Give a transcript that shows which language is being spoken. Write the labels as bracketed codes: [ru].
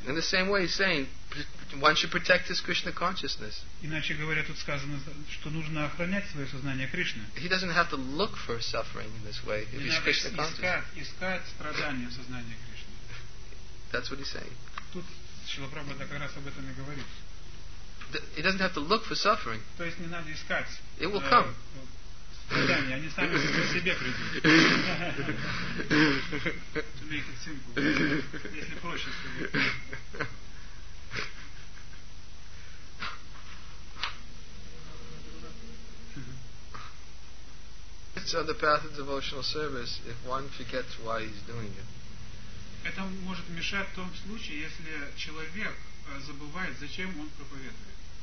[en] In the same way, he's saying, one should protect his Krishna consciousness. [ru] Иначе говоря, тут сказано, что нужно охранять свое сознание Кришны. [en] He doesn't have to look for suffering in this way if he's Krishna conscious. [ru] Искать страдания в сознании Кришны. [en] That's what he's saying. [ru] Тут Шрила Прабхупада как раз об этом и говорит. [en] He doesn't have to look for suffering. [ru] То есть не надо искать. [en] It will come. [ru] Они сами себе придут. [en] To make it simple. [ru] Если проще сказать. [en] It's on the path of devotional service if one forgets why he's doing it. [ru] Это может мешать в том случае, если человек забывает, зачем он проповедует.